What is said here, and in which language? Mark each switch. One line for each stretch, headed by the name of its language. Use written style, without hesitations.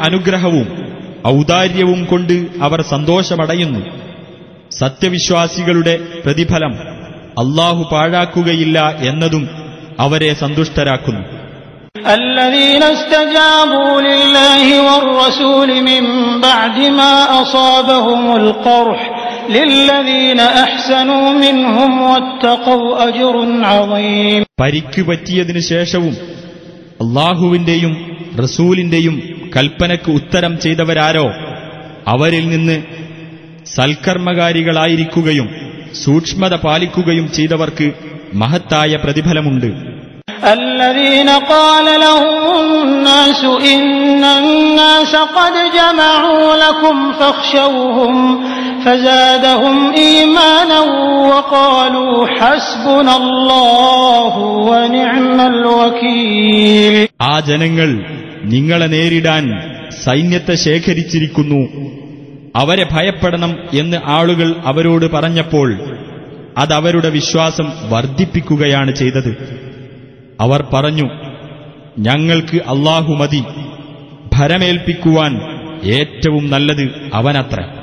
Malayalam: അനുഗ്രഹവും ഔദാര്യവും കൊണ്ട് അവർ സന്തോഷമടയുന്നു. സത്യവിശ്വാസികളുടെ പ്രതിഫലം അല്ലാഹു പാഴാക്കുകയില്ല എന്നതും അവരെ സന്തുഷ്ടരാക്കുന്നു.
Arabic: الذين استجابوا لله والرسول من بعد ما أصابهم القرح للذين أحسنوا منهم واتقوا أجر عظيم
Malayalam: പരിക്കു പറ്റിയതിനു ശേഷവും അല്ലാഹുവിന്റെയും റസൂലിന്റെയും കൽപ്പനയ്ക്ക് ഉത്തരം ചെയ്തവരാരോ അവരിൽ നിന്ന് സൽക്കർമ്മകാരികളായിരിക്കുകയും സൂക്ഷ്മത പാലിക്കുകയും ചെയ്തവർക്ക് മഹത്തായ പ്രതിഫലമുണ്ട്.
Arabic: الذين قال لهم الناس إن الناس قد جمعوا لكم فاخشوهم فزادهم إيمانا وقالوا حسبنا الله ونعم الوكيل
Malayalam: ആ ജനങ്ങൾ നിങ്ങളെ നേരിടാൻ സൈന്യത്തെ ശേഖരിച്ചിരിക്കുന്നു, അവരെ ഭയപ്പെടണം എന്ന് ആളുകൾ അവരോട് പറഞ്ഞപ്പോൾ അത് അവരുടെ വിശ്വാസം വർദ്ധിപ്പിക്കുകയാണ് ചെയ്തത്. അവർ പറഞ്ഞു, ഞങ്ങൾക്ക് അല്ലാഹു മതി, ഭരമേൽപ്പിക്കുവാൻ ഏറ്റവും നല്ലത് അവനത്ര.